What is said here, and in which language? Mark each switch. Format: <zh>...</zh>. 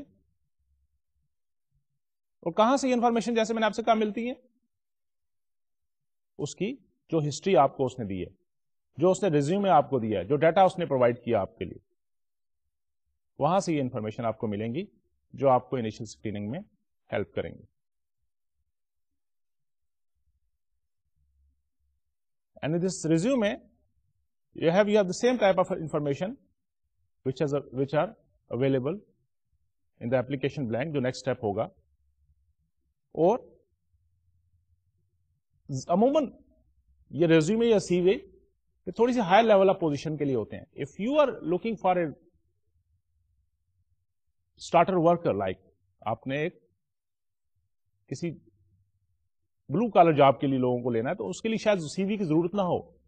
<ur>اور کہاں سے یہ انفارمیشن جیسے میں نے آپ سے کہا ملتی ہے؟ اس کی جو ہسٹری آپ کو اس نے دی ہے, جو اس نے ریزیومے آپ کو دیا ہے, جو ڈیٹا اس نے پرووائڈ کیا آپ کے لیے, وہاں سے یہ انفارمیشن آپ کو ملیں گی جو آپ کو انیشل اسکریننگ میں ہیلپ کریں گی.</ur> <en>and this resume you have, you have the same type of information which are available in the application blank,</en> <ur>جو نیکسٹ اسٹیپ ہوگا. اور عموماً یہ ریزیومے یا سی وی تھوڑی سی ہائر لیول آف پوزیشن کے لیے ہوتے ہیں.</ur> <en>if you are looking for a starter worker,</en> <ur>like آپ نے ایک کسی بلو کالر جاب کے لیے لوگوں کو لینا ہے, تو اس کے لیے شاید سی وی کی ضرورت نہ ہو.</ur>